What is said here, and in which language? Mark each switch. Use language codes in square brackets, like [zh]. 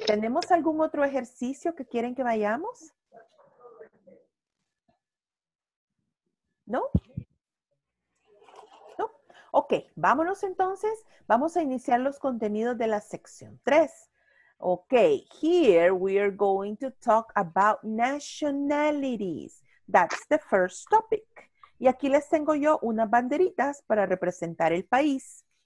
[es] ¿Tenemos algún otro ejercicio que quieren que vayamos? ¿No? ¿No? Ok, vámonos entonces. Vamos a iniciar los contenidos de la sección 3. [en] Okay, here we are going to talk about nationalities. That's the first topic. [es] Y aquí les tengo yo unas banderitas para representar el país.